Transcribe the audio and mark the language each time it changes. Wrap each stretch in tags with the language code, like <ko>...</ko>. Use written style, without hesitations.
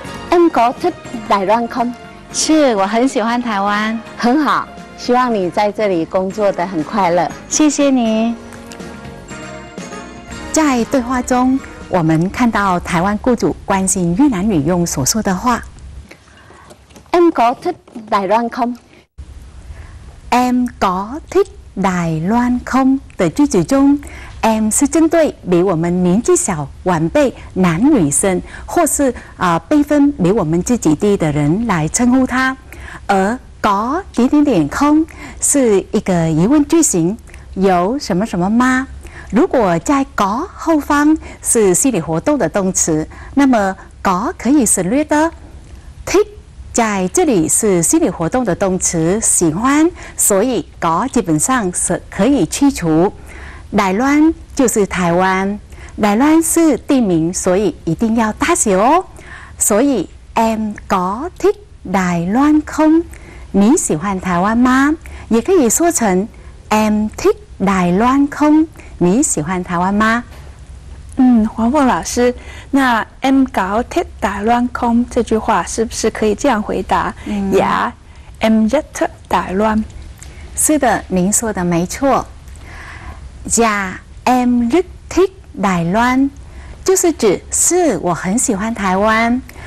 <vi>Em có thích Đài Loan không？</vi> <zh>是，我很喜欢台湾。很好，希望你在这里工作得很快乐。谢谢你。在对话中，我们看到台湾雇主关心越南女佣所说的话。</zh> <vi>Em có thích Đài Loan không? Em có thích Đài Loan không?</vi> <zh>的句子中， Em 是针对比我们年纪小晚辈男女生，或是辈分比我们自己低的人来称呼他。而có点点点空是一个疑问句型，有什么什么吗？如果在có后方是心理活动的动词，那么có可以省略的。 thích在这里是心理活动的动词，喜欢，所以có基本上是可以去除。台湾就是台湾，台湾是地名，所以一定要大写哦。所以</zh> <vi>em có thích Đài Loan không？</vi> <zh>你喜欢台湾吗？也可以说成</zh> <vi>em thích Đài Loan không？</vi> <zh>你喜欢台湾吗？黄凤老师，那</zh> <vi>em có thích Đài Loan không</vi> <zh>这句话是不是可以这样回答？</zh> <vi>Em rất thích Đài Loan。</vi> <zh>是的，您说的没错。</zh> <vi>Em rất thích Đài Loan</vi> <zh>就是指是我很喜欢台湾。</zh>